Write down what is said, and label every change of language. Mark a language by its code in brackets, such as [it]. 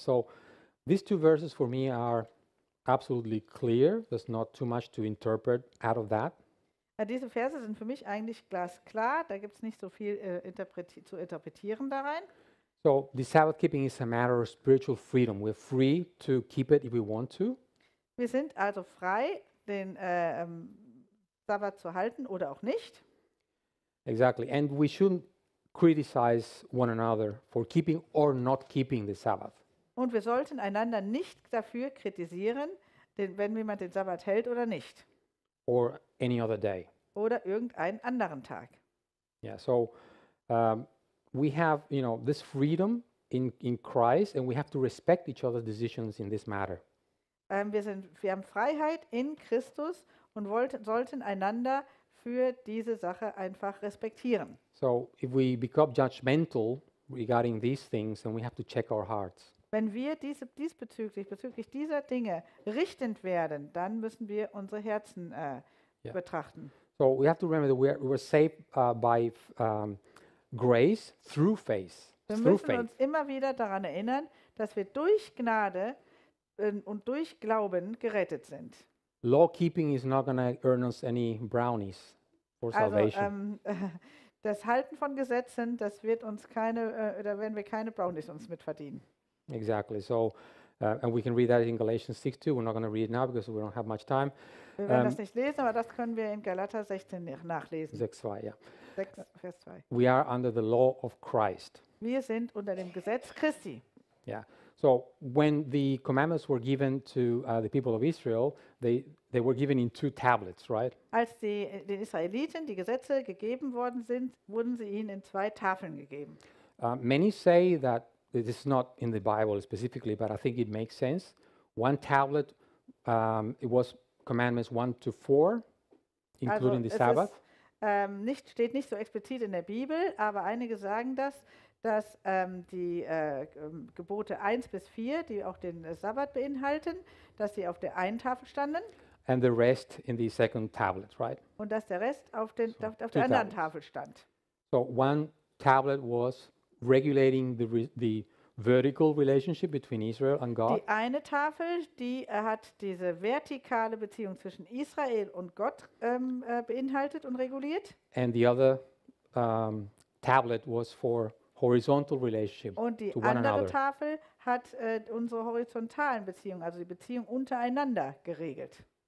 [en] So, these two verses for me are absolutely clear. There's not too much to interpret out of that. [de] Diese Verse sind für mich eigentlich glasklar. Da gibt es nicht so viel zu interpretieren da rein. [en] So, the Sabbath keeping is a matter of spiritual freedom. We're free to keep it if we want to. [de] Wir sind also frei, den Sabbat zu halten oder auch nicht. [en] Exactly. And we shouldn't criticize one another for keeping or not keeping the Sabbath. [de] Und wir sollten einander nicht dafür kritisieren, wenn jemand den Sabbat hält oder nicht. [en] Or any other day. [de] Oder irgendeinen anderen Tag. [en] Yeah, so we have, you know, this freedom in Christ, and we have to respect each other's decisions in this matter. [de] Wir haben Freiheit in Christus und sollten einander für diese Sache einfach respektieren. [en] So, if we become judgmental regarding these things, then we have to check our hearts. [de] Wenn wir bezüglich dieser Dinge richtend werden, dann müssen wir unsere Herzen betrachten. [en] So, we have to remember that we're saved by grace through faith. [de] Uns immer wieder daran erinnern, dass wir durch Gnade und durch Glauben gerettet sind. [en] Law keeping is not going to earn us any brownies for salvation. [de] Also, das Halten von Gesetzen, das wird uns keine, oder werden wir keine Brownies uns mitverdienen. [en] Exactly. So, and we can read that in Galatians 6:2. We're not going to read it now because we don't have much time. [de] Wir werden das nicht lesen, aber das können wir in Galater 16 nachlesen. 6:2, ja. Vers 2. [en] We are under the law of Christ. [de] Wir sind unter dem Gesetz Christi. [en] Yeah. So when the commandments were given to the people of Israel, they were given in two tablets, right? [de] Als den Israeliten die Gesetze gegeben worden sind, wurden sie ihnen in zwei Tafeln gegeben. [en] Many say that it is not in the Bible specifically, but I think it makes sense. One tablet, it was commandments 1-4, including also the Sabbath. [de] Steht nicht so explizit in der Bibel, aber einige sagen das, dass die Gebote 1-4, die auch den Sabbat beinhalten, dass sie auf der einen Tafel standen. [en] And the rest in the second tablet, right? [de] Und dass der Rest auf der anderen Tafel stand. [en] So one tablet was regulating the vertical relationship between Israel and God. [de] Die eine Tafel, die hat diese vertikale Beziehung zwischen Israel und Gott beinhaltet und reguliert. [en] And the other tablet was for horizontal relationship. [de] Und die [en] to one [de] andere [en] another. [de] Tafel hat unsere horizontalen Beziehungen, also die Beziehung untereinander geregelt.